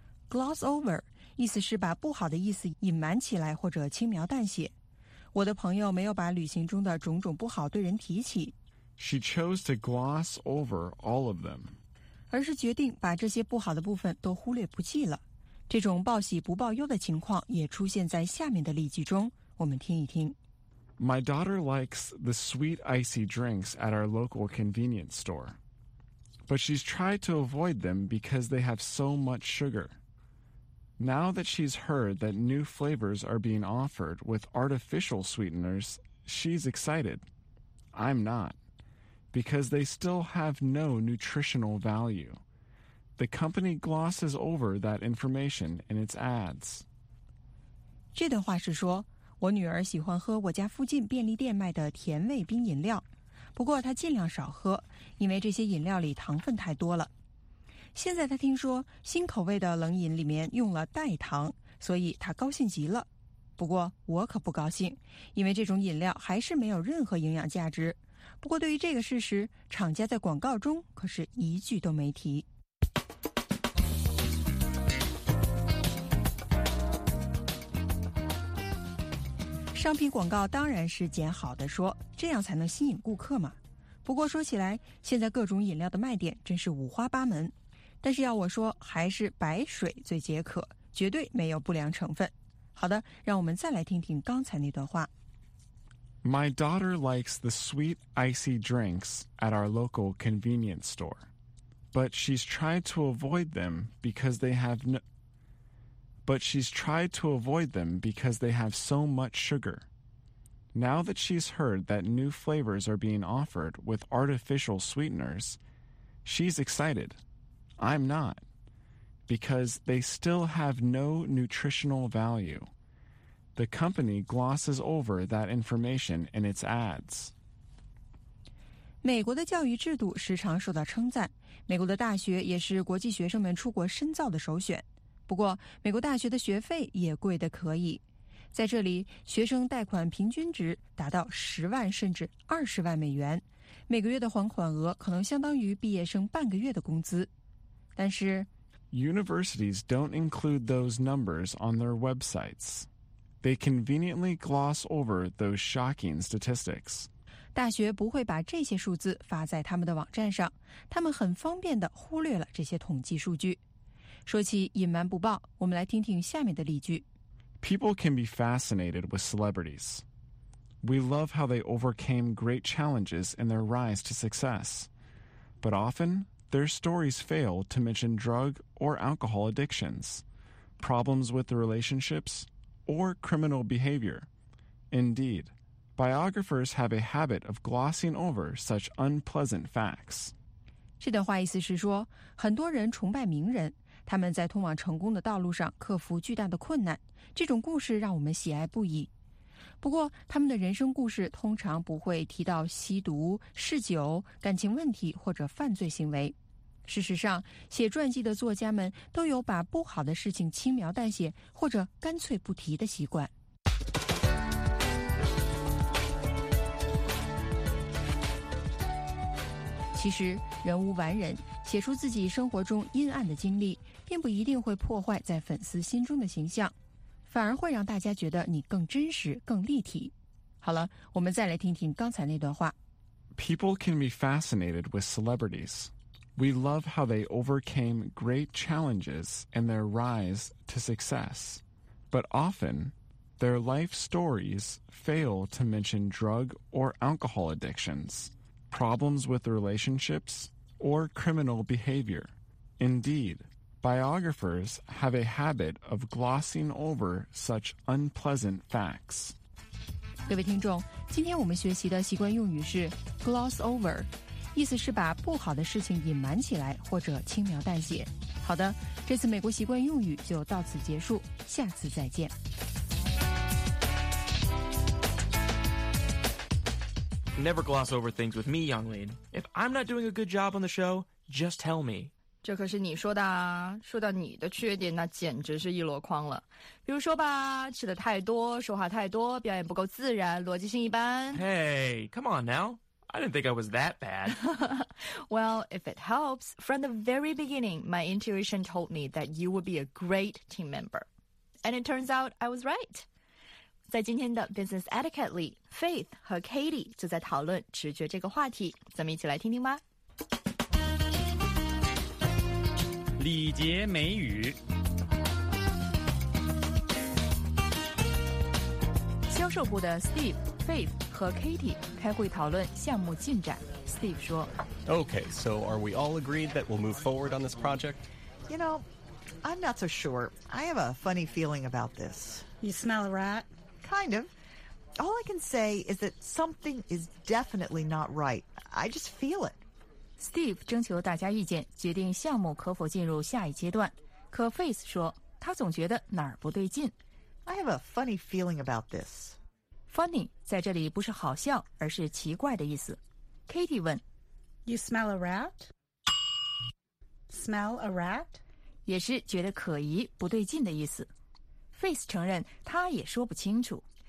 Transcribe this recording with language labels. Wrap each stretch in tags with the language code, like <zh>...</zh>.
<zh>Gloss over, 意思是把不好的意思隐瞒起来或者轻描淡写。我的朋友没有把旅行中的种种不好对人提起。</zh> <en>She chose to gloss over all of them.</en> <zh>而是决定把这些不好的部分都忽略不计了。这种报喜不报忧的情况也出现在下面的例句中，我们听一听。</zh> <en>My daughter likes the sweet icy drinks at our local convenience store. But she's tried to avoid them because they have so much sugar. Now that she's heard that new flavors are being offered with artificial sweeteners, she's excited. I'm not. Because they still have no nutritional value. The company glosses over that information in its ads.</en> <zh>这段话是说，我女儿喜欢喝我家附近便利店卖的甜味冰饮料，不过她尽量少喝，因为这些饮料里糖分太多了。现在她听说新口味的冷饮里面用了代糖，所以她高兴极了。不过我可不高兴，因为这种饮料还是没有任何营养价值。不过对于这个事实，厂家在广告中可是一句都没提。商品广告当然是捡好的说，这样才能吸引顾客嘛。不过说起来，现在各种饮料的卖点真是五花八门，但是要我说，还是白水最解渴，绝对没有不良成分。好的，让我们再来听听刚才那段话。</zh> <en>My daughter likes the sweet icy drinks at our local convenience store, but she's tried to avoid them because they have no. But she's tried to avoid them because they have so much sugar. Now that she's heard that new flavors are being offered with artificial sweeteners, she's excited. I'm not, because they still have no nutritional value. The company glosses over that information in its ads.</en> <zh>美国的教育制度时常受到称赞，美国的大学也是国际学生们出国深造的首选。不过，美国大学的学费也贵得可以。在这里，学生贷款平均值达到10万甚至20万美元，每个月的还款额可能相当于毕业生半个月的工资。但是</zh> <en>，Universities don't include those numbers on their websites. They conveniently gloss over those shocking statistics.</en> <zh>大学不会把这些数字发在他们的网站上，他们很方便地忽略了这些统计数据。说起隐瞒不报，我们来听听下面的例句。</zh> <en>People can be fascinated with celebrities. We love how they overcame great challenges in their rise to success. But often, their stories fail to mention drug or alcohol addictions, problems with the relationships,or criminal behavior. Indeed, biographers have a habit of glossing over such unpleasant facts.</en> <zh>这段话意思是说，很多人崇拜名人，他们在通往成功的道路上克服巨大的困难，这种故事让我们喜爱不已。不过，他们的人生故事通常不会提到吸毒、嗜酒、感情问题或者犯罪行为。事实上，写传记的作家们都有把不好的事情轻描淡写或者干脆不提的习惯。其实，人无完人，写出自己生活中阴暗的经历，并不一定会破坏在粉丝心中的形象，反而会让大家觉得你更真实、更立体。好了，我们再来听听刚才那段话。</zh> <en>People can be fascinated with celebrities. We love how they overcame great challenges and their rise to success. But often, their life stories fail to mention drug or alcohol addictions. Problems with relationships, or criminal behavior. Indeed, biographers have a habit of glossing over such unpleasant facts.</en> <zh>各位听众，今天我们学习的习惯用语是 gloss over, 意思是把不好的事情隐瞒起来或者轻描淡写。好的，这次美国习惯用语就到此结束，下次再见。</zh> <en>Never gloss over things with me, Yonglin. If I'm not doing a good job on the show, just tell me.</en> <zh>这可是你说的啊。说到你的缺点，那简直是一箩筐了。比如说吧，吃的太多，说话太多，表演不够自然，逻辑性一般。</zh> <en>Hey, come on now. I didn't think I was that bad. Well, if it helps, from the very beginning, my intuition told me that you would be a great team member. And it turns out I was right.</en> <zh>在今天的 Business Etiquette 里 ,Faith 和 Katie 就在讨论直觉这个话题。咱们一起来听听吧。礼节美语。销售部的 Steve, Faith 和 Katie 开会讨论项目进展。 Steve 说</zh> <en>Okay, so are we all agreed that we'll move forward on this project? You know, I'm not so sure. I have a funny feeling about this. You smell a rat? Kind of. All I can say is that something is definitely not right. I just feel it.</en> <zh>Steve 征求大家意见，决定项目可否进入下一阶段。可 Faith 说，他总觉得哪儿不对劲。 I have a funny feeling about this. Funny 在这里不是好笑，而是奇怪的意思。 Katie 问</zh> <en>，You smell a rat? Smell a rat?</en> <zh>也是觉得可疑、不对劲的意思。Faith 承认他也说不清楚。</zh>